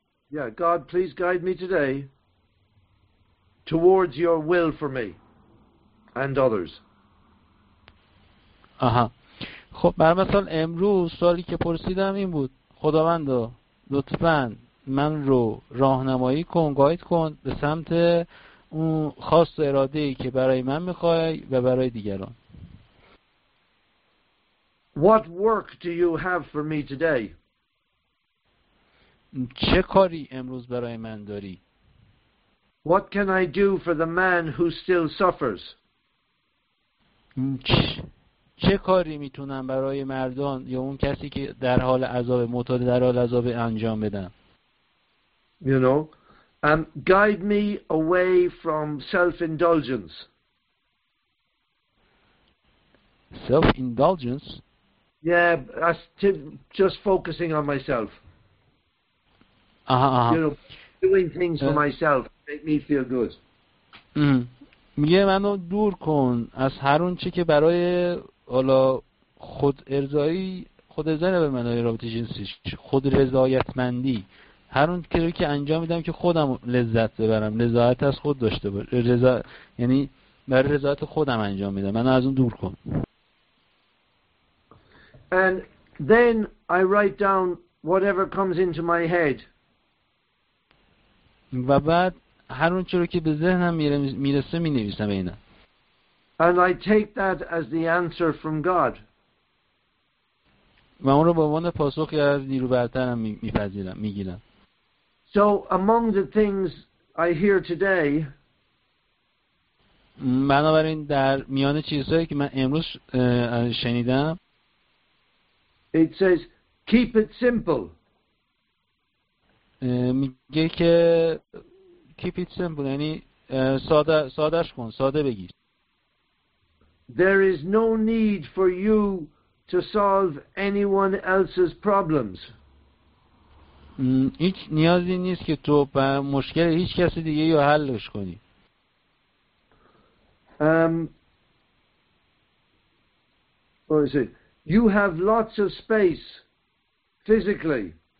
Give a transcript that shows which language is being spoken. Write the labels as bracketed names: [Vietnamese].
[English] Yeah, God, please guide me today towards your will for me and others. Aha. [Persian] خب برای مثال امروز سوالی که پرسیدم این بود، خداوند لطفاً من رو راهنمایی کن، گاید کن به سمت اون خاص و اراده‌ای که برای من می‌خوای و برای دیگران. [English] What work do you have for me today? [Persian] چه کاری امروز برای من داری؟ [English] What can I do for the man who still suffers? [Persian] چه کاری میتونم برای مردان یا اون کسی که در حال عذاب معتاد در حال عذاب انجام بدم؟ [English] You know, guide me away from self-indulgence. Self-indulgence? Yeah, just focusing on myself. Uh-huh. You know, doing things for myself make me feel good. [Persian] میگه منو دور کن از هر اون چی که برای حالا خود ارضایی به معنای رابطه جنسیش، خود رضایتمندی، هر اون کاری که انجام میدم که خودم لذت ببرم، رضایت از خود داشته باشم، یعنی برای رضایت خودم انجام میدم، منو از اون دور کن. [English] And then I write down whatever comes into my head. [Persian] و بعد هر اون چیزی که به ذهنم میرسه مینویسم اینا. [English] And I take that as the answer from God. [Persian] من اون رو به عنوان پاسخی از نیرو برترم میپذیرم، میگیرم. [English] So among the things I hear today, [Persian] بنابراین در میان چیزهایی که من امروز شنیدم، [English] it says keep it simple. [Persian] میگه که [English] keep it simple، [Persian] یعنی سادهش کن، ساده بگیر. [English] There is no need for you to solve anyone else's problems. [Persian] هیچ نیازی نیست که تو به مشکل هیچ کسی دیگه رو حلش کنی. [English] What is it? You have lots of space physically.